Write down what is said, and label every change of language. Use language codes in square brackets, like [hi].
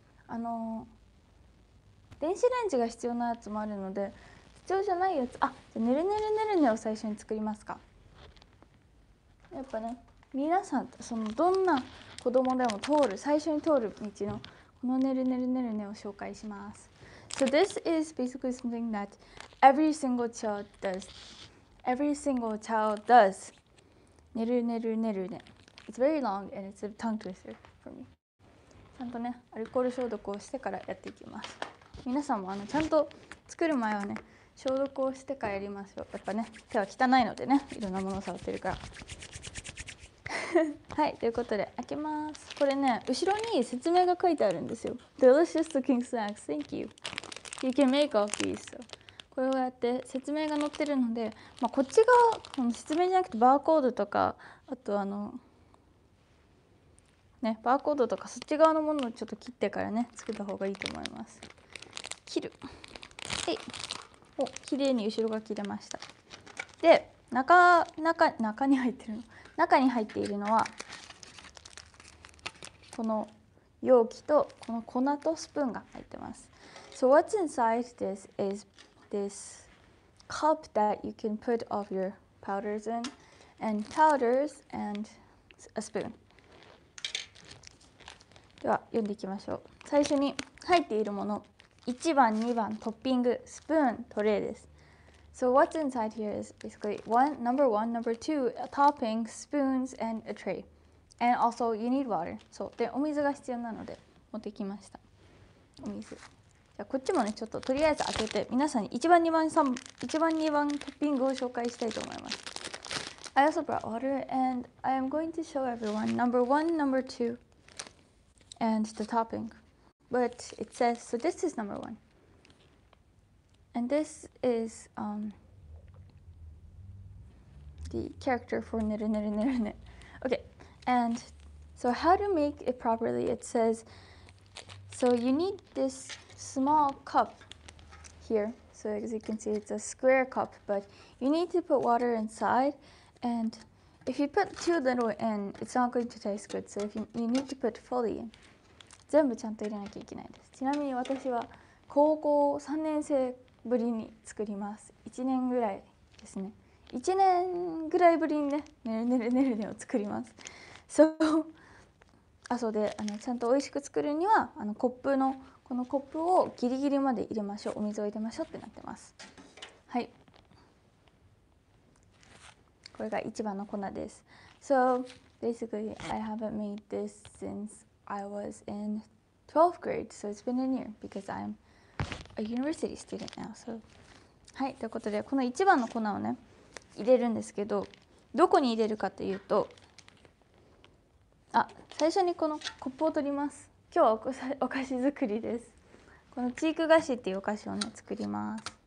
[ja] 電子レンジが必要なやつもあるので、必要じゃないやつ、あ、じゃあねるねるねるねを最初に作りますか。やっぱね、皆さんそのどんな子供でも通る最初に通る道のこのねるねるねるねを紹介します。 [en] So this is basically something that every single child does [ja] ねるねるねるね。 [en] It's very long and it's a tongue twister for me。 [ja] ちゃんとね、アルコール消毒をしてからやっていきます。皆さんもちゃんと作る前はね、消毒をしてからやりましょう。やっぱね、手は汚いのでね、いろんなものを触ってるから。はい、ということで開けます。これね、後ろに説明が書いてあるんですよ。 [en] Delicious cooking snacks, thank you. You can make of these. [ja] こうやって説明が載ってるので、まあ、こっち側この説明じゃなくてバーコードとかあとねバーコードとかそっち側のものをちょっと切ってからね作った方がいいと思います。切る、はい、お、綺麗に後ろが切れました。で、中に入っているのはこの容器とこの粉とスプーンが入ってます。 [en] So what's inside this isThis cup that you can put all your powders in, and powders and a spoon. [ja] では読んでいきましょう。最初に入っているもの、1番2番トッピング、スプーン、トレーです。 [en] So what's inside here is basically number one, number two, a topping, spoons and a tray. And also you need water. [ja] そう、でお水が必要なので持ってきました。お水。こっちもね、ちょっととりあえず開けて皆さんに1番2番トッピングを紹介したいと思います。 [en] I also brought water and I am going to show everyone number one, number two and the topping. But it says, so this is number one. And this is the character for ねるねるねるね。 Okay, and so how to make it properly, it says, so you need thisSmall cup here. So as you can see, it's a square cup, but you need to put water inside. And if you put too little in, it's not going to taste good. So if you need to put fully in. [ja] 全部ちゃんと入れなきゃいけないです。ちなみに私は高校3年生ぶりに作ります。 1年ぐらいですね。1年ぐらいぶりにね、ねるねるねるねを作ります。 So, あ、そうで、ちゃんと美味しく作るには、コップのこのコップをギリギリまで入れましょう、お水を入れましょうってなってます。はい、これが一番の粉です。 [en] So basically I haven't made this since I was in 12th grade, so it's been a year because I'm a university student now. [ja] So はい、ということでこの一番の粉をね入れるんですけど、どこに入れるかというと、あ、最初にこのコップを取ります。今日はお菓子作りです。このチーク菓子っていうお菓子をね作ります。